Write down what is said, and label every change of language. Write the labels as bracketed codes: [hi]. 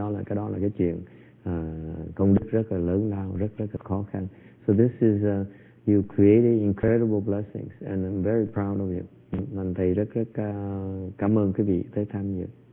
[vi] Cái đó là cái chuyện công đức rất là lớn lao, rất là khó khăn. [en] So this is you created incredible blessings and I'm very proud of you. [vi] Mình thầy rất cảm ơn quý vị tới tham dự.